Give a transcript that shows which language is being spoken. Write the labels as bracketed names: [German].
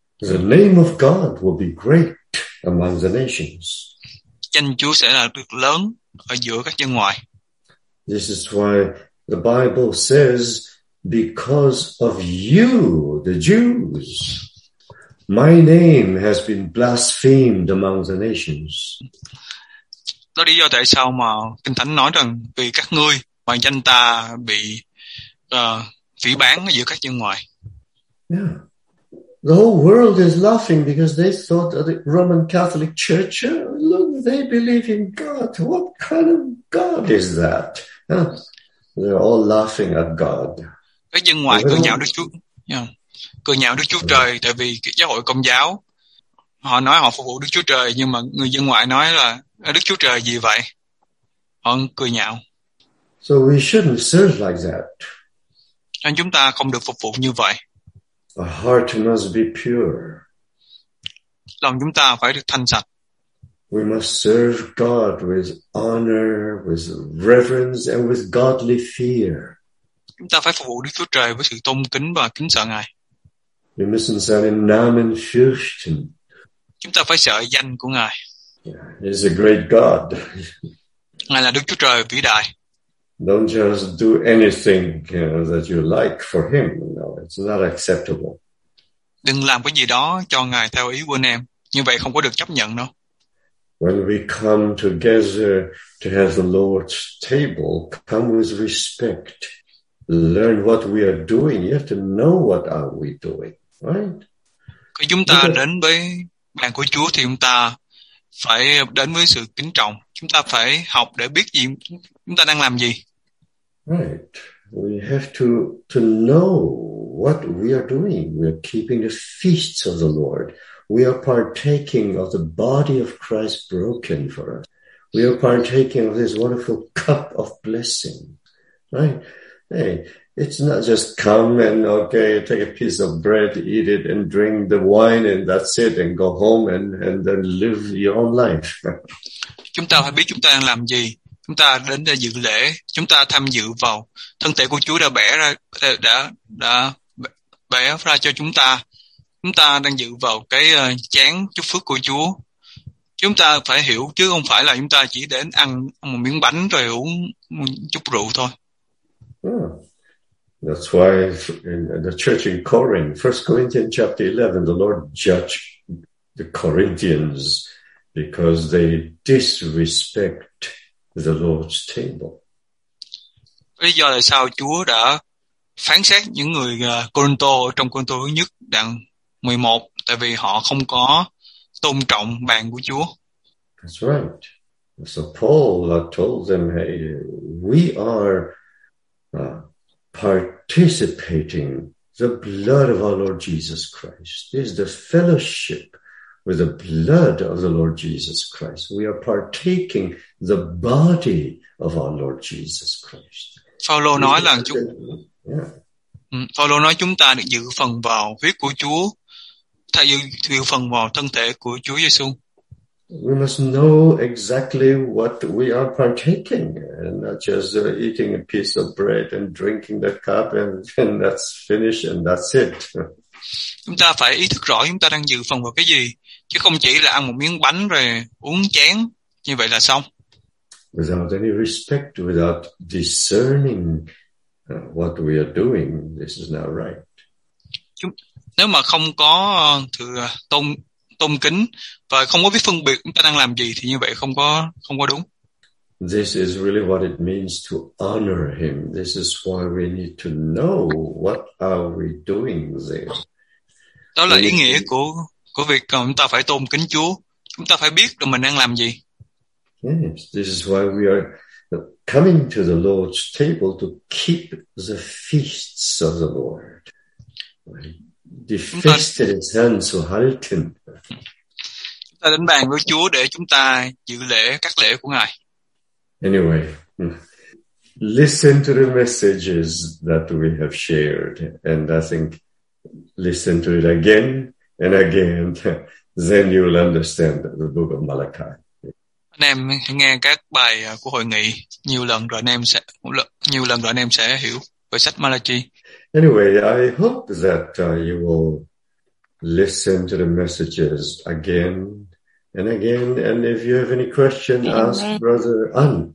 [English] The name of God will be great among the nations. [Vietnamese] Danh Chúa sẽ là được lớn ở giữa các dân ngoại. [English] This is why the Bible says, because of you, the Jews, my name has been blasphemed among the nations. [Vietnamese] Đó lý do tại sao mà Kinh Thánh nói rằng vì các ngươi mà danh ta bị phỉ báng giữa các dân ngoài. [English] Yeah. The whole world is laughing because they thought that the Roman Catholic Church, look, they believe in God. What kind of God is that? They're all laughing at God. [Vietnamese] Các dân ngoài cười nhạo Đức Chúa, cười nhạo Đức Chúa Trời, tại vì giáo hội Công giáo họ nói họ phục vụ Đức Chúa Trời, nhưng mà người dân ngoại nói là Đức Chúa Trời gì vậy? Họ cười nhạo. [English] So we shouldn't serve like that. [Vietnamese] Nên chúng ta không được phục vụ như vậy. [English] Our heart must be pure. [Vietnamese] Lòng chúng ta phải được thanh sạch. [English] We must serve God with honor, with reverence, and with godly fear. [Vietnamese] Chúng ta phải phục vụ Đức Chúa Trời với sự tôn kính và kính sợ Ngài. [German] Wir müssen seinen Namen fürchten. [Vietnamese] Chúng ta phải sợ danh của Ngài. [English] Yeah, He's a great God. [Vietnamese] Ngài là Đức Chúa Trời vĩ đại. [English] Don't just do anything that you like for Him. No, it's not acceptable. [Vietnamese] Đừng làm cái gì đó cho Ngài theo ý của anh em. Như vậy không có được chấp nhận đâu. [English] When we come together to have the Lord's table, come with respect. Learn what we are doing. You have to know what are we doing, right? [Vietnamese] Khi chúng ta đến với bàn của Chúa thì chúng ta phải đến với sự kính trọng. Chúng ta phải học để biết gì chúng ta đang làm gì. [English] Right. We have to know what we are doing. We are keeping the feasts of the Lord. We are partaking of the body of Christ broken for us. We are partaking of this wonderful cup of blessing. Right? Hey, it's not just come and okay, take a piece of bread, eat it and drink the wine and that's it and go home and then live your own life. [Vietnamese] Chúng ta phải biết chúng ta đang làm gì. Chúng ta đến để dự lễ, chúng ta tham dự vào thân thể của Chúa đã bẻ ra đã bẻ ra cho chúng ta. Chúng ta đang dự vào cái chén chúc phước của Chúa. Chúng ta phải hiểu chứ không phải là chúng ta chỉ đến ăn một miếng bánh rồi uống một chút rượu thôi. [English] Yeah. That's why in the church in Corinth, 1 Corinthians chapter 11, the Lord judged the Corinthians because they disrespect the Lord's table. [Vietnamese] Lý do là sao Chúa đã phán xét những người Corinto trong Corinto thứ nhất rằng 11, tại vì họ không có tôn trọng bàn của Chúa. [English] That's right. So Paul told them, hey, we are participating The blood of our Lord Jesus Christ is the fellowship with the blood of the Lord Jesus Christ. We are partaking the body of our Lord Jesus Christ. [Vietnamese] Phaolô nói là chúng Phaolô nói chúng ta được giữ phần vào huyết của Chúa, thay giữ phần vào thân thể của Chúa Giêsu. [English] We must know exactly what we are partaking, and not just eating a piece of bread and drinking the cup, and that's finished and that's it. [Vietnamese] Chúng ta phải ý thức rõ chúng ta đang giữ phần vào cái gì, chứ không chỉ là ăn một miếng bánh rồi uống chén như vậy là xong. [English] Without any respect, without discerning what we are doing, this is not right. [Vietnamese] Nếu mà không có tôn kính và không có biết phân biệt chúng ta đang làm gì thì như vậy không có đúng. [English] This is really what it means to honor him. This is why we need to know what are we doing there. [Vietnamese] Đó là ý nghĩa của việc chúng ta phải tôn kính Chúa. Chúng ta phải biết là mình đang làm gì. [English] Yes, this is why we are coming to the Lord's table to keep the feasts of the Lord. [German] Die Feste des Herrn zu halten. [Vietnamese] Chúng ta đến bàn với Chúa để chúng ta giữ lễ các lễ của Ngài. [English] Anyway, listen to the messages that we have shared, and I think listen to it again and again, then you will understand the book of Malachi. [Vietnamese] Anh em hãy nghe các bài của hội nghị nhiều lần rồi anh em sẽ hiểu về sách Malachi. [English] Anyway, I hope that you will listen to the messages again and again, and if you have any question, ask Brother An.